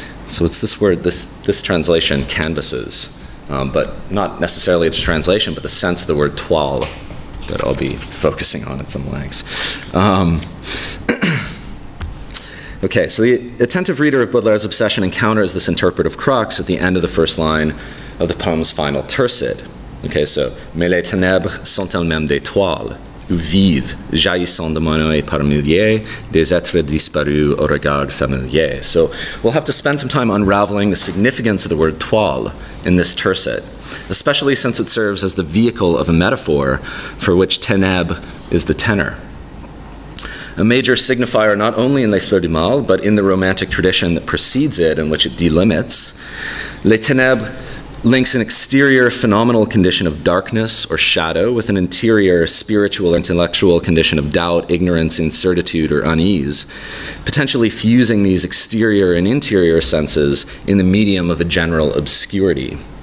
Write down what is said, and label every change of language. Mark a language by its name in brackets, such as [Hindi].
[English] So it's this word, this translation, canvases, but not necessarily the translation, but the sense of the word toile that I'll be focusing on at some length. Okay, so the attentive reader of Baudelaire's obsession encounters this interpretive crux at the end of the first line of the poem's final tercet. Okay, so, [French] mais les ténèbres sont elles-mêmes des toiles, ou vives, jaillissant de mon œil par milliers, des êtres disparus au regard familier. [English] So, we'll have to spend some time unraveling the significance of the word toile in this tercet, especially since it serves as the vehicle of a metaphor for which ténèbres is the tenor. A major signifier not only in Les Fleurs du Mal, but in the romantic tradition that precedes it and which it delimits, Les Ténèbres links an exterior phenomenal condition of darkness or shadow with an interior spiritual or intellectual condition of doubt, ignorance, incertitude, or unease, potentially fusing these exterior and interior senses in the medium of a general obscurity.